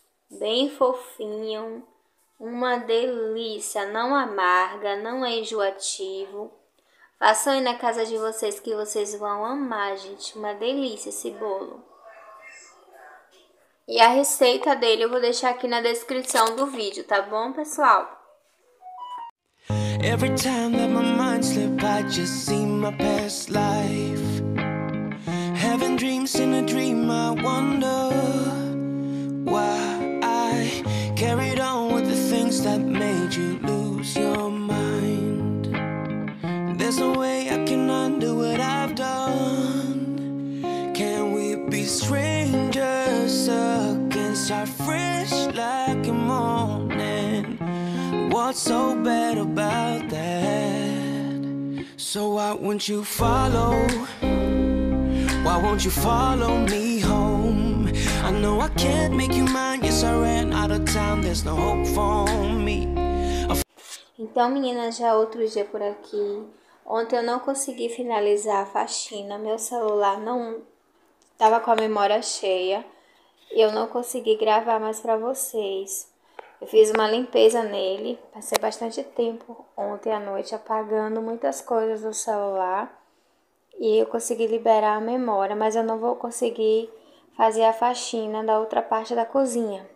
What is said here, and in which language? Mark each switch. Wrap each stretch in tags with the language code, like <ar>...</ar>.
<pt>Bem fofinho. Uma delícia, não amarga, não é enjoativo. Façam aí na casa de vocês que vocês vão amar, gente. Uma delícia esse bolo. E a receita dele eu vou deixar aqui na descrição do vídeo, tá bom, pessoal?</pt> <en>Every time that my mind slips, I just see my past life. Having dreams in a dream, I wonder why I carried on. That made you lose your mind. There's a way I can undo what I've done. Can we be strangers again? Start fresh like a morning. What's so bad about that? So why won't you follow? Why won't you follow me home? I know I can't make you mine. Yes, I ran out of time. There's no hope for me.</en> <pt>Então, meninas, já outro dia por aqui. Ontem eu não consegui finalizar a faxina. Meu celular não tava com a memória cheia. E eu não consegui gravar mais pra vocês. Eu fiz uma limpeza nele, passei bastante tempo ontem à noite apagando muitas coisas do celular e eu consegui liberar a memória, mas eu não vou conseguir fazer a faxina da outra parte da cozinha.</pt>